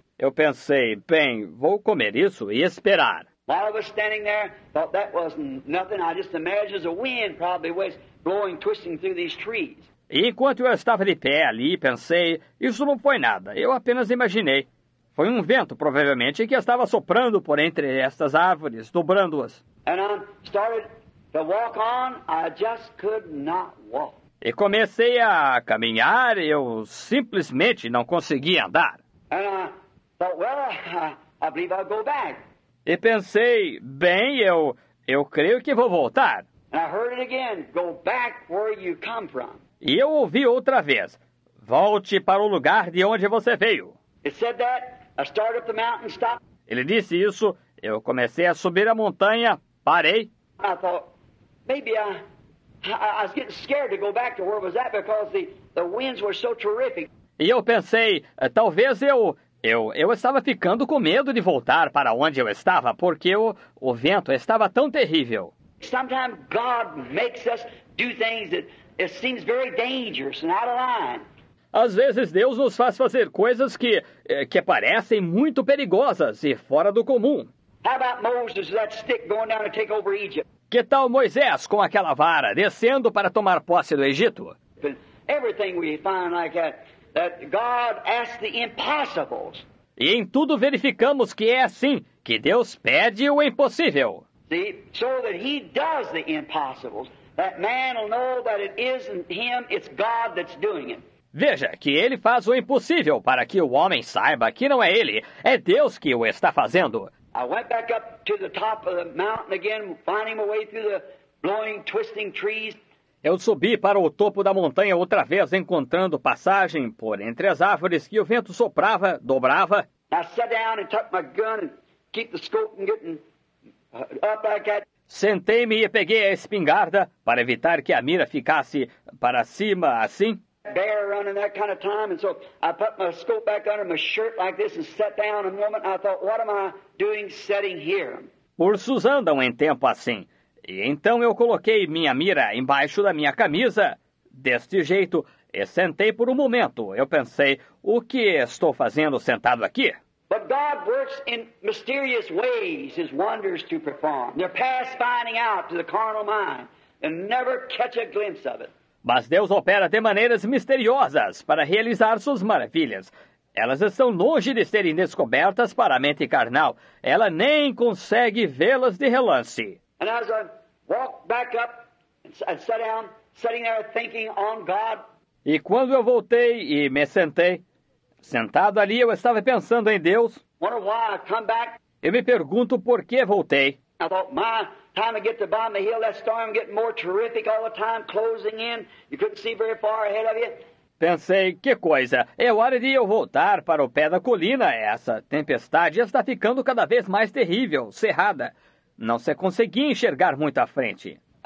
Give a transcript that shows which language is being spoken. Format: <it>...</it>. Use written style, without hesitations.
<pt>Eu pensei, bem, vou comer isso e esperar.</pt> <en>While I was standing there, thought that wasn't nothing. I just imagined the wind probably was blowing, twisting through these trees.</en> <pt>E enquanto eu estava de pé ali, pensei, isso não foi nada. Eu apenas imaginei. Foi um vento, provavelmente, que estava soprando por entre estas árvores, dobrando-as.</pt> <en>And I started to walk on. I just could not walk.</en> <pt>E comecei a caminhar. Eu simplesmente não conseguia andar.</pt> <en>And I thought, well, I believe I'll go back.</en> <pt>E pensei, bem, eu creio que vou voltar.</pt> <en>And I heard it again. Go back where you come from.</en> <pt>E eu ouvi outra vez, volte para o lugar de onde você veio.</pt> <en>It said that. I started up the mountain, stopped.</en> <pt>Ele disse isso, eu comecei a subir a montanha, parei.</pt> <en>I thought, maybe I was getting scared to go back to where was that because the winds were so terrific.</en> <pt>E eu pensei, talvez Eu estava ficando com medo de voltar para onde eu estava, porque o vento estava tão terrível.</pt> <en>Sometimes God makes us do things that it seems very dangerous and out of line.</en> <pt>Às vezes Deus nos faz fazer coisas que parecem muito perigosas e fora do comum.</pt> <en>How about Moses, that stick going down to take over Egypt?</en> <pt>Que tal Moisés com aquela vara descendo para tomar posse do Egito?</pt> <en>Everything we find like that. That God asks the impossibles.</en> <pt>E em tudo verificamos que é assim, que Deus pede o impossível.</pt> <en>See, so that he does the impossible, that man will know that it isn't him, it's God that's doing it.</en> <pt>Veja que ele faz o impossível para que o homem saiba que não é ele, é Deus que o está fazendo.</pt> <en>I went back up to the top of the mountain again, finding my way through the blowing, twisting trees.</en> <pt>Eu subi para o topo da montanha outra vez, encontrando passagem por entre as árvores que o vento soprava, dobrava.</pt> <en>I sat down and took my gun and keep the scope and getting up like that.</en> <pt>Sentei-me e peguei a espingarda para evitar que a mira ficasse para cima assim.</pt> <en>Bear running that kind of time, and so I put my scope back under my shirt like this and sat down a moment. I thought, what am I doing sitting here?</en> <pt>Ursos andam em tempo assim. E então eu coloquei minha mira embaixo da minha camisa, deste jeito, e sentei por um momento. Eu pensei, o que estou fazendo sentado aqui?</pt> <en>But God works in mysterious ways, His wonders to perform. They're past finding out to the carnal mind, and never catch a glimpse of it.</en> <pt>Mas Deus opera de maneiras misteriosas para realizar suas maravilhas. Elas estão longe de serem descobertas para a mente carnal. Ela nem consegue vê-las de relance.</pt> <en>And as I walked back up and sat down, sitting there thinking on God.</en> <pt>E quando eu voltei e me sentei, sentado ali eu estava pensando em Deus.</pt> <en>Wonder why I come back.</en> <pt>Eu me pergunto por que voltei.</pt> <en>I thought, my time to get to bottom of the hill, that storm getting more terrific all the time, closing in. You couldn't see very far ahead of you.</en> <pt>Pensei, que coisa, é hora de eu voltar para o pé da colina. Essa tempestade está ficando cada vez mais terrível, cerrada. Não se conseguia enxergar muito à frente.</pt>